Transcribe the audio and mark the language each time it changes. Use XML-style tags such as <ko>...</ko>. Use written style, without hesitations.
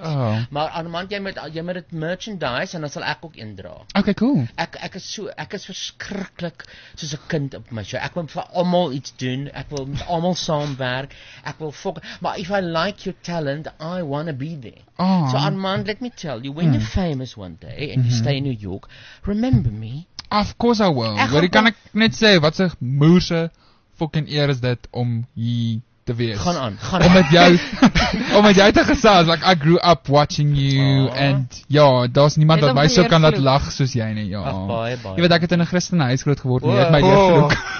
<en>But</en> <af>Armand, jy moet dit merchandise en dan sal ek ook een dra.</af> <en>Okay, cool.</en> <af>Ek is verskriklik soos 'n kind op my show. Ek wil vir almal iets doen. Ek wil met almal saamwerk. Ek wil</af> <en>fuck, but if I like your talent, I want to be there. Oh. So Armand, let me tell you, when you're famous one day and you stay in New York, remember me. Of course I will.</en> <af>Maar ek kan net sê wat 'n moerse fucking eer is dit om hier te wees. Gaan aan, gaan aan. Om met jou te gesels,</af> <en>like I grew up watching you</en> <af>and ja, daar's niemand wat my so kan laat lag soos jy nie, ja.</af> <en>Ach, bye.</en> <af>Jy weet ek het in 'n Christelike huis groot geword, jy het my leer vroeg.</af>